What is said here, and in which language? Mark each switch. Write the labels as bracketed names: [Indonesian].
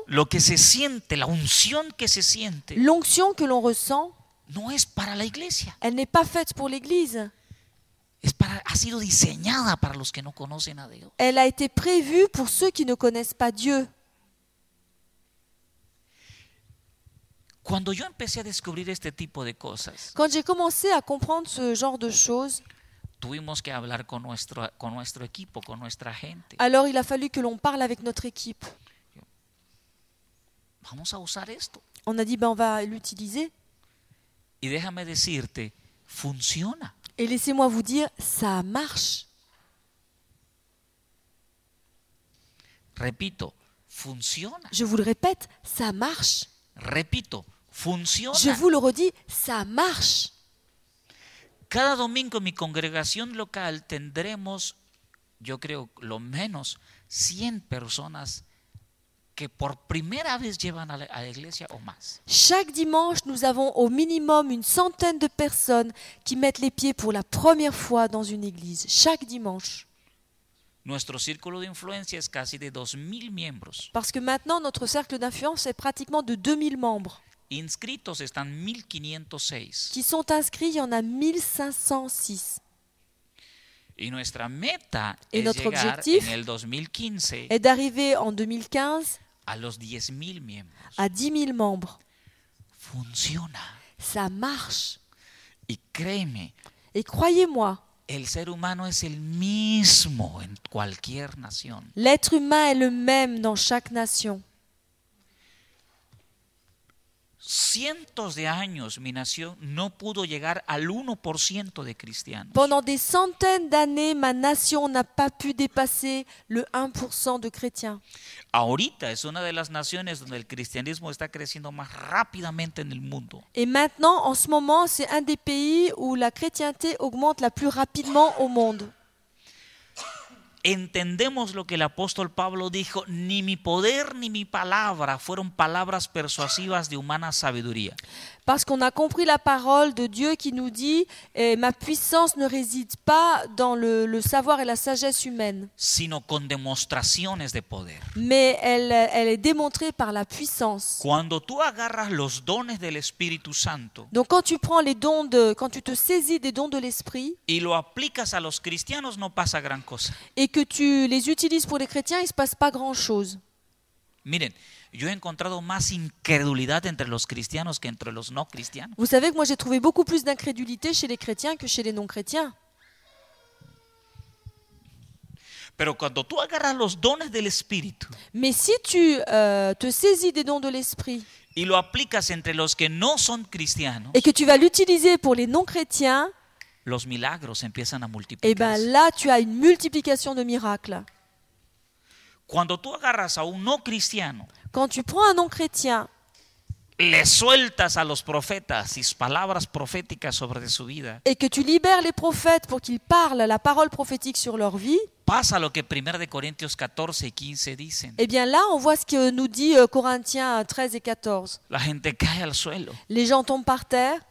[Spanish] Lo que se siente, la unción que se siente. [French] L'onction que l'on ressent. [Spanish] No es para la iglesia. [French] Elle n'est pas faite pour l'église. [Spanish] Ha sido diseñada para los que no conocen a Dios. [French] Elle a été prévue pour ceux qui ne connaissent pas Dieu. [Spanish] Cuando yo empecé a descubrir este tipo de cosas. [French] Quand j'ai commencé à comprendre ce genre de choses. [Spanish] Tuvimos que hablar con nuestro equipo, con nuestra gente. [French] Alors il a fallu que l'on parle avec notre équipe. [Spanish] Vamos a usar esto. [French] On a dit ben on va l'utiliser. [Spanish] Y déjame decirte, funciona. [French] Et laissez-moi vous dire, ça marche. [Spanish] Repito, funciona. [French] Je vous le répète, ça marche. [Spanish] Repito, funciona. [French] Je vous le redis, ça marche. [Spanish] Cada domingo en mi congregación local tendremos, yo creo, lo menos 100 personas que por primera vez llevan a la iglesia o más. [French] Chaque dimanche, nous avons au minimum une centaine de personnes qui mettent les pieds pour la première fois dans une église. Chaque dimanche. [Spanish] Nuestro círculo de influencia es casi de 2000 miembros. [French] Parce que maintenant notre cercle d'influence est pratiquement de 2000 membres. [Spanish] Inscritos están 1506. [French] Qui sont inscrits, il y en a 1506. [Spanish] Y nuestra meta es llegar en el 2015. [French] Est d'arriver en 2015 [Spanish] a los 10000 miembros. [French] À 10000 membres. [Spanish] Funciona. [French] Ça marche. [Spanish] Y créeme. [French] Et croyez-moi. [Spanish] El ser humano es el mismo en cualquier nación. [French] L'être humain est le même dans chaque nation. [Spanish] cientos de años mi nación no pudo llegar al 1% de cristianos. [French] Pendant des centaines d'années ma nation n'a pas pu dépasser le 1% de chrétiens. [Spanish] Ahorita es una de las naciones donde el cristianismo está creciendo más rápidamente en el mundo. [French] Et maintenant en ce moment c'est un des pays où la chrétienté augmente la plus rapidement au monde. [Spanish] Entendemos lo que el apóstol Pablo dijo, ni mi poder ni mi palabra fueron palabras persuasivas de humana sabiduría. [French] Parce qu'on a compris la parole de Dieu qui nous dit ma puissance ne réside pas dans le savoir et la sagesse humaine, [Spanish] sino con demostraciones de poder. [French] Mais elle est démontrée par la puissance. [Spanish] Cuando tú agarras los dones del Espíritu Santo. [French] Donc quand tu prends les dons de quand tu te saisis des dons de l'esprit [Spanish] y lo aplicas a los cristianos no pasa gran cosa. [French] Et que tu les utilises pour les chrétiens, il se passe pas grand-chose. [Spanish] Miren, yo he encontrado más incredulidad entre los cristianos que entre los no cristianos. [French] Vous savez que moi j'ai trouvé beaucoup plus d'incrédulité chez les chrétiens que chez les non chrétiens. [Spanish] Pero cuando tú agarras los dones del espíritu. [French] Mais si tu te saisis des dons de l'esprit. [Spanish] Y lo aplicas entre los que no son cristianos. [French] Et que tu vas l'utiliser pour les non chrétiens. [Spanish] Los milagros empiezan a multiplicarse. [French] Et ben là tu as une multiplication de miracles. [Spanish] Cuando tú agarras a un no cristiano. [French] Quand tu prends un non-chrétien, [Spanish] le sueltas a los profetas sus palabras proféticas sobre su vida. [French] Et que tu libères les prophètes pour qu'ils parlent la parole prophétique sur leur vie. [Spanish] Pasa lo que 1 de Corintios 14 y 15 dicen. [French] Et bien là, on voit ce que nous dit Corinthiens 13 et 14. [Spanish] La gente cae al suelo. [French] Les gens tombent par terre.